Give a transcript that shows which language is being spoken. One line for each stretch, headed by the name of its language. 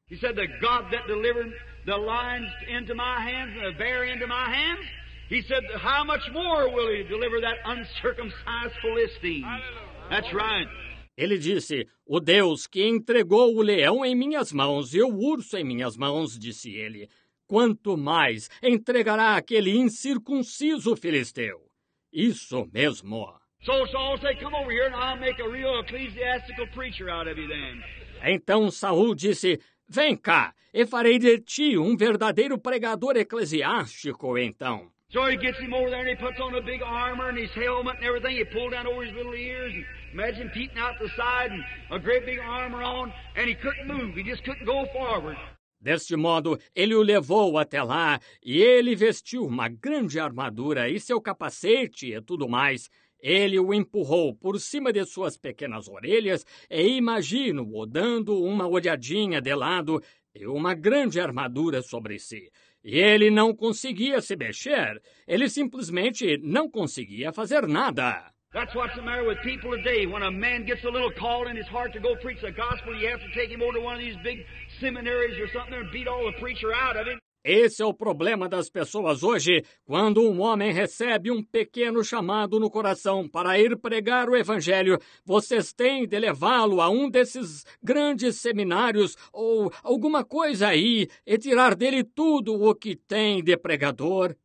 English: He said, the God that delivered the lions into my hands and the bear into my hands, he said, how much more will he deliver that uncircumcised Philistine? That's right.
Portuguese: Ele disse, o Deus que entregou o leão em minhas mãos e o urso em minhas mãos, disse ele, quanto mais entregará aquele incircunciso filisteu? Isso mesmo.
English: So Saul said, come over here and I'll make a real ecclesiastical preacher out of you then.
Portuguese: Então Saul disse, vem cá, e farei de ti um verdadeiro pregador eclesiástico, então.
English: So he gets him over there and he puts on a big armor and his helmet and everything. He pulled down over his little ears and imagine peeping out the side and a great big armor on. And he couldn't move, he just couldn't go forward.
Portuguese: Deste modo, ele o levou até lá e ele vestiu uma grande armadura e seu capacete e tudo mais. Ele o empurrou por cima de suas pequenas orelhas e imagino-o dando uma olhadinha de lado e uma grande armadura sobre si. E ele não conseguia se mexer. Ele simplesmente não conseguia fazer nada.
English: That's what's the matter with people today. When a man gets a little call in his heart to go preach the gospel, you have to take him over to one of these big seminaries or something there and beat all the preacher out of it.
Portuguese: Esse é o problema das pessoas hoje, quando um homem recebe um pequeno chamado no coração para ir pregar o evangelho, vocês têm de levá-lo a um desses grandes seminários ou alguma coisa aí e tirar dele tudo o que tem de pregador.